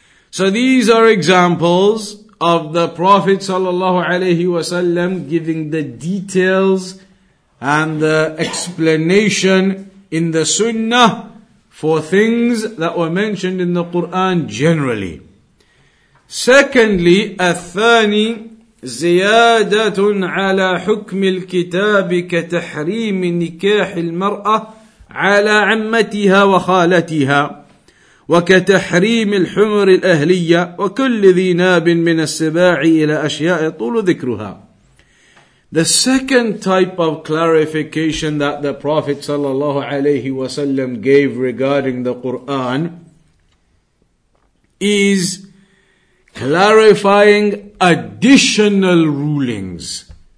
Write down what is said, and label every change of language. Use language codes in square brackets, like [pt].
[en] So these are examples of the Prophet sallallahu alaihi wasallam giving the details and the explanation in the sunnah for things that were mentioned in the Quran generally. Secondly, [ar] الثاني زيادة على حكم الكتاب كتحريم نكاح المرأة على عمتها وخالتها وكتحريم الحمر الأهلية وكل ذي ناب من السباع إلى أشياء طول ذكرها. [en] The second type of clarification that the Prophet sallallahu alaihi wasallam gave regarding the Quran is clarifying additional rulings.